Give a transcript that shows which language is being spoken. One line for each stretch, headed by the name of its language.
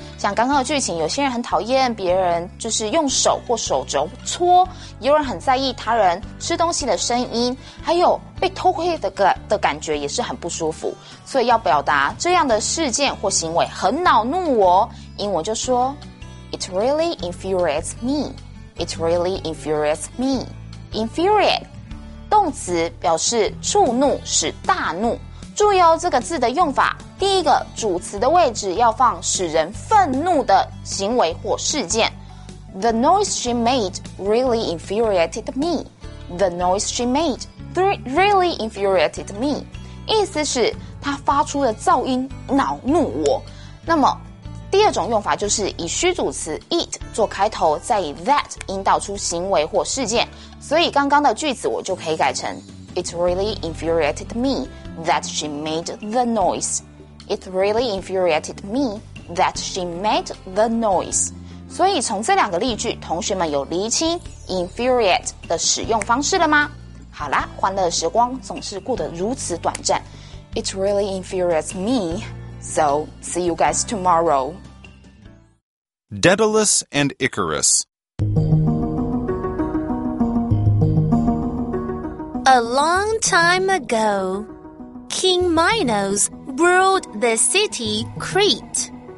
Chinese: 像刚刚的剧情，有些人很讨厌别人就是用手或手肘搓，有人很在意他人吃东西的声音，还有被偷窥的感觉也是很不舒服。所以要表达这样的事件或行为很恼怒我，英文就说
English: It really infuriates me. It really infuriates me.
Chinese: Infuriate 动词表示触怒，使大怒。注意哦，这个字的用法，第一个主词的位置要放使人愤怒的行为或事件。
English: The noise she made really infuriated me. The noise she made really infuriated me.
Chinese: 意思是她发出的噪音恼怒我。那么第二种用法就是以虚主词 it 做开头，再以 that 引导出行为或事件。所以刚刚的句子我就可以改成
English: It really infuriated me. That she made the noise. It really infuriated me that she made the noise.
Chinese: 所以从这两个例句，同学们有厘清 infuriate 的使用方式了吗？好啦，欢乐时光总是过得如此短暂。
English: It really infuriates me. So, see you guys tomorrow. Daedalus and Icarus. A long time ago,King Minos ruled the city Crete.